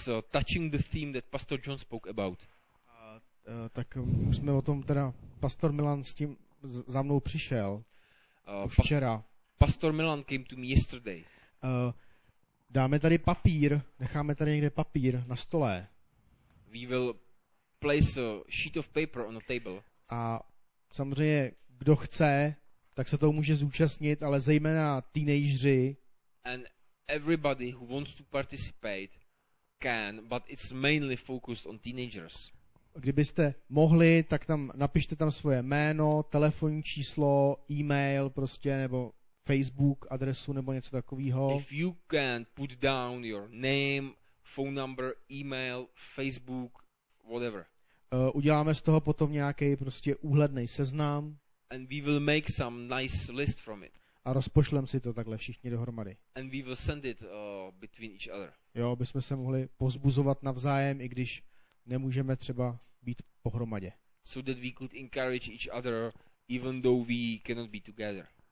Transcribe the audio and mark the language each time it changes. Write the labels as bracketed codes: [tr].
[en] Touching the theme that Pastor John spoke about. [cs] Tak už jsme o tom teda, Pastor Milan s tím za mnou přišel už včera. [en] Pastor Milan came to me yesterday. [cs] Dáme tady papír, necháme tady někde papír na stole. [en] We will place a sheet of paper on the table. [cs] A samozřejmě, kdo chce, tak se toho může zúčastnit, ale zejména teenageři. [en] And everybody who wants to participate can, but it's mainly focused on teenagers. [cs] Kdybyste mohli, tak tam napište tam svoje jméno, telefonní číslo, e-mail prostě, nebo Facebook adresu nebo něco takového. [en] If you can put down your name, phone number, email, Facebook, whatever. [cs] Uděláme z toho potom nějaký prostě úhledný seznam. [en] And we will make some nice list from it. [cs] A rozpošlem si to takhle všichni dohromady. [en] And we will send it between each other. [cs] Jo, bychom se mohli pozbuzovat navzájem, i když nemůžeme třeba být pohromadě. [en] So that we could encourage each other, even though we cannot be together.